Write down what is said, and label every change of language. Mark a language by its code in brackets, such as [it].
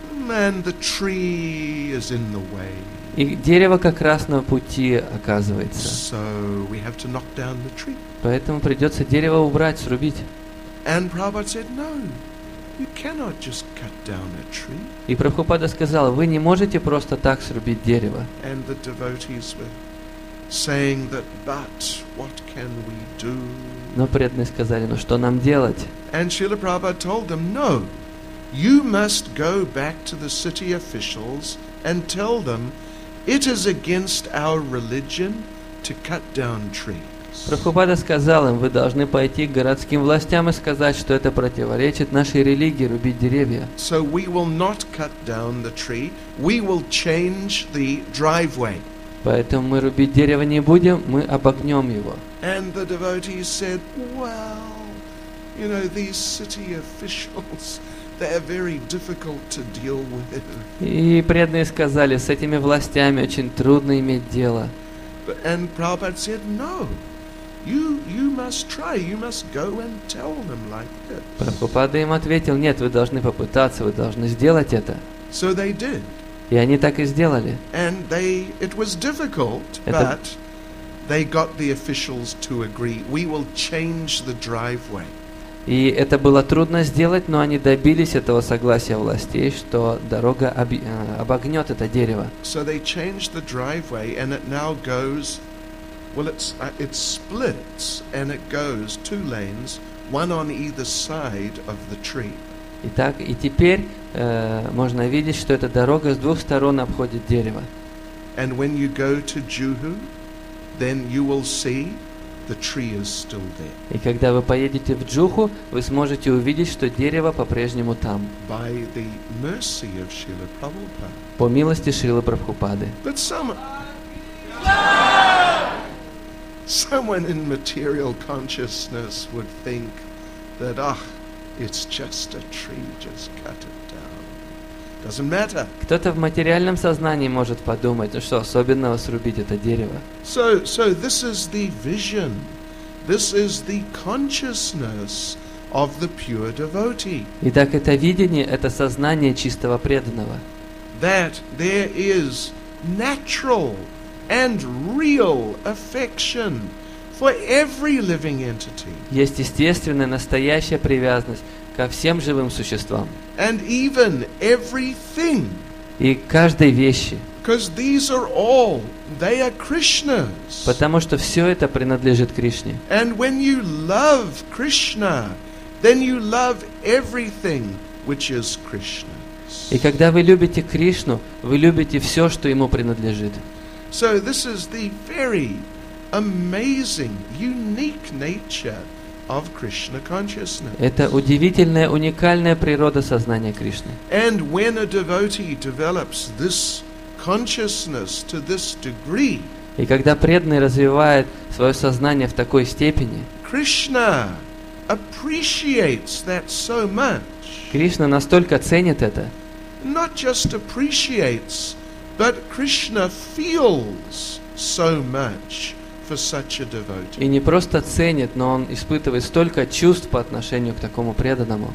[en] And the tree is in the way. [ru] И дерево как раз на пути оказывается. [en] So we have to knock down the tree. [ru] Поэтому придется дерево убрать, срубить. [en] And Prabhupada said, "No, you cannot just cut down a tree." [ru] И Прабхупада сказал, вы не можете просто так срубить дерево. [en] And the devotees were saying that, "But what can we do?" [ru] Но преданные сказали, ну что нам делать? [en] And Srila Prabhupada told them, "No. You must go back to the city officials and tell them it is against our religion to cut down trees." [ru] Прабхупада сказал им, вы должны пойти к городским властям и сказать, что это противоречит нашей религии рубить деревья. [en] So we will not cut down the tree, we will change the driveway. [ru] Поэтому мы рубить дерево не будем, мы обогнем его. [en] And the devotees said, "Well, you know, these city officials, they are very difficult to deal with." [ru] И преданные сказали, с этими властями очень трудно иметь дело. [en] And Prabhupada said, "No, you must try. You must go and tell them like this." [ru] Прабхупада им ответил, нет, вы должны попытаться, вы должны сделать это. [en] So they did. [ru] И они так и сделали. [en] And it was difficult, but they got the officials to agree. We will change the driveway. [ru] И это было трудно сделать, но они добились этого согласия властей, что дорога обогнет это дерево. [en] So they changed the driveway and it now goes, well, it splits and it goes two lanes, one on either side of the tree. [ru] Итак, и теперь можно видеть, что эта дорога с двух сторон обходит дерево. [en] And when you go to Juhu, then you will see the tree is still there. [ru] И когда вы поедете в Джуху, вы сможете увидеть, что дерево по-прежнему там. [en] By the mercy of Srila Prabhupada. [ru] По милости Шрилы Прабхупады. [en] But someone in material consciousness would think that, "Ah, it's just a tree, just cut it down." Doesn't matter. [ru] Кто-то в материальном сознании может подумать, ну что особенного срубить это дерево. [en] So this is the vision. This is the consciousness of the pure devotee. [ru] Итак, это видение, это сознание чистого преданного. [en] That there is natural and real affection for every living entity. [ru] Есть естественная, настоящая привязанность ко всем живым существам. [en] And even everything. [ru] И каждой вещи. [en] Because these are all, they are Krishna's. [ru] Потому что все это принадлежит Кришне. [en] And when you love Krishna, then you love everything which is Krishna. [ru] И когда вы любите Кришну, вы любите все, что ему принадлежит. [en] So this is the very amazing, unique nature of Krishna consciousness. [ru] Это удивительная, уникальная природа сознания Кришны. [en] And when a devotee develops this consciousness to this degree, [ru] и когда преданный развивает свое сознание в такой степени, [en] Krishna appreciates that so much. [ru] Кришна настолько ценит это. [en] Not just appreciates, but Krishna feels so much for such a devotee. [ru] И не просто ценит, но он испытывает столько чувств по отношению к такому преданному.